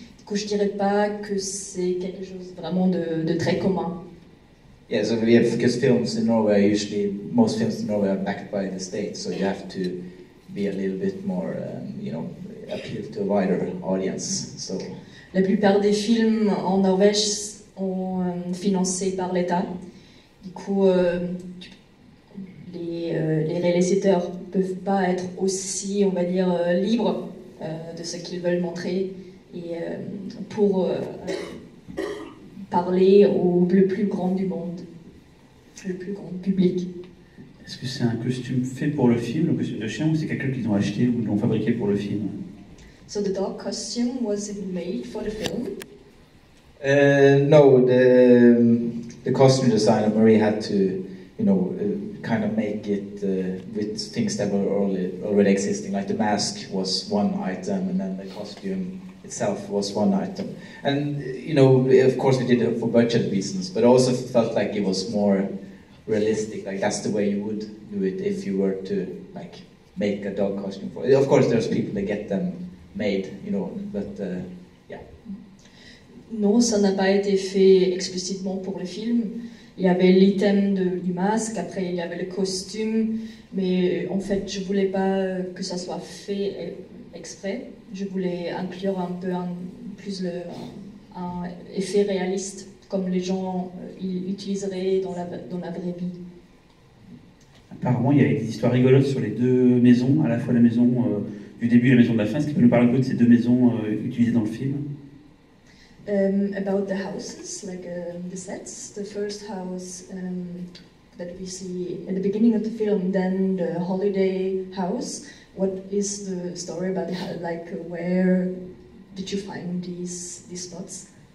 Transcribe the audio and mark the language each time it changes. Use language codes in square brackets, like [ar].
[fr] Du coup, je dirais pas que c'est quelque chose vraiment de très commun. [en] Yeah, so yeah, because films in Norway are usually, most films in Norway are backed by the state, so you have to be a little bit more, appeal to a wider audience. So. [fr] La plupart des films en Norvège sont financés par l'État. Du coup, les réalisateurs ne peuvent pas être aussi, on va dire, libres de ce qu'ils veulent montrer et pour parler au plus grand du monde, le plus grand public. Est-ce que c'est un costume fait pour le film, le costume de chien, ou c'est quelqu'un qu'ils ont acheté ou l'ont fabriqué pour le film? [en] So the dog costume, was it made for the film? No, the costume designer Marie had to, you know, kind of make it with things that were already existing. Like the mask was one item, and then the costume itself was one item. And you know, of course, we did it for budget reasons, but also felt like it was more realistic. Like that's the way you would do it if you were to like make a dog costume for it. Of course, there's people that get them made, you know, but [fr] Non, ça n'a pas été fait explicitement pour le film. Il y avait l'item du masque, après il y avait le costume, mais en fait je ne voulais pas que ça soit fait exprès. Je voulais inclure un peu plus un effet réaliste, comme les gens utiliseraient dans la vraie vie. Apparemment, il y a des histoires rigolotes sur les deux maisons, à la fois la maison du début et la maison de la fin. Est-ce que tu peux nous parler un peu de ces deux maisons utilisées dans le film? [en] About the houses, like the sets, the first house that we see at the beginning of the film, then the holiday house. What is the story about the, like where did you find these spots?